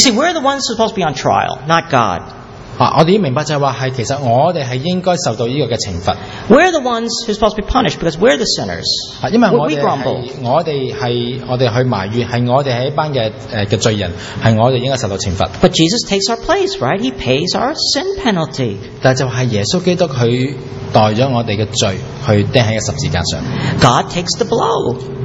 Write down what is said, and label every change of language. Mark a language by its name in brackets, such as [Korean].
[English] see, we're the ones supposed to be on trial, not God. [Chinese] 我们明白就是说，其实我们是应该受到这个惩罚。 [English] We're the ones who are supposed to be punished because we're the sinners. We grumble. [Chinese] 我们是埋怨，是我们是一帮的罪人，是我们应该受到惩罚。 [English] But Jesus takes our place, right? He pays our sin penalty. [Chinese] 但就是耶稣基督他代了我们的罪，去钉在十字架上。 [English] God takes the blow.